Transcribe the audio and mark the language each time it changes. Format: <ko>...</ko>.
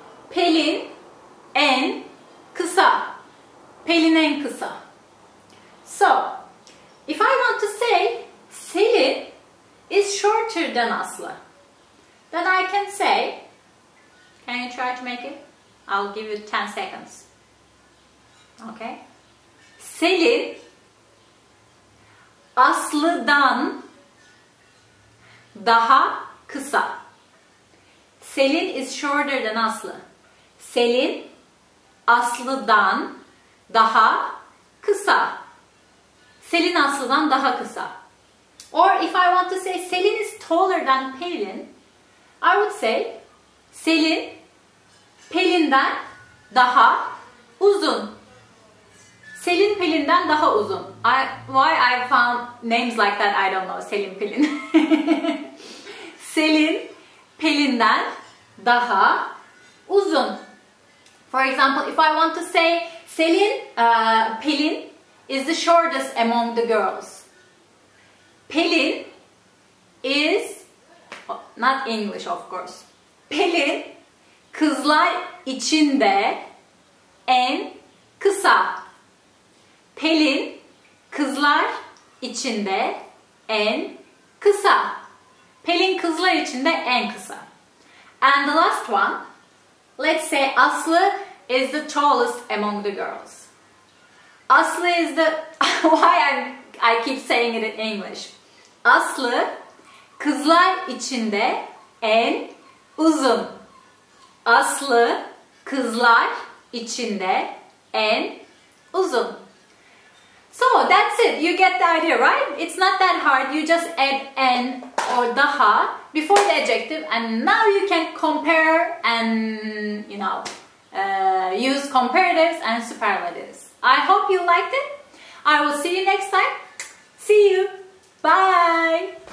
<tr>Pelin en kısa. Pelin en kısa.</tr> <en>So, if I want to say Selin is shorter than Aslı, then I can say, can you try to make it? I'll give you 10 seconds. Okay?</en> <tr>Selin Aslı'dan daha kısa.</tr> <en>Selin is shorter than Aslı.</en> <tr>Selin Aslı'dan daha kısa. Selin Aslı'dan daha kısa.</tr> <en>Or if I want to say Selin is taller than Pelin, I would say</en> <tr>Selin Pelin'den daha uzun. Selin Pelin'den daha uzun.</tr> <en>Why I found names like that, I don't know.</en> <tr>Selin Pelin. Selin Pelin'den daha uzun.</tr> <en>For example, if I want to say Selin Pelin is the shortest among the girls. Pelin is, not English of course.</en> <tr>Pelin kızlar içinde en kısa. Pelin kızlar içinde en kısa. Pelin kızlar içinde en kısa.</tr> <en>And the last one, let's say Aslı is the tallest among the girls. Aslı is the, why I keep saying it in English.</en> <tr>Aslı kızlar içinde en uzun. Aslı kızlar içinde en uzun.</tr> <en>So that's it. You get the idea, right? It's not that hard. You just add en or daha before the adjective, and now you can compare and, you know, use comparatives and superlatives. I hope you liked it. I will see you next time. See you. Bye.</en>